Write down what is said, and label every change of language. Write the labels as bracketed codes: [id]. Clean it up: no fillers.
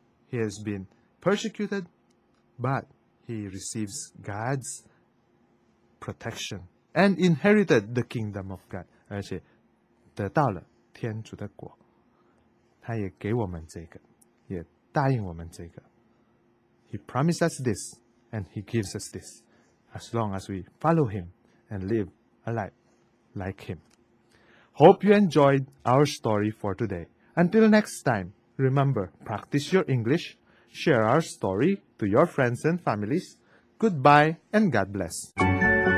[en] He has been persecuted, but he receives God's protection and inherited the kingdom of God, [zh] 而且得到了天主的国。他也给我们这个，也答应我们这个。 [en] He promised us this and he gives us this as long as we follow him and live a life like him. Hope you enjoyed our story for today. Until next time, remember, practice your English. Share our story to your friends and families. Goodbye and God bless.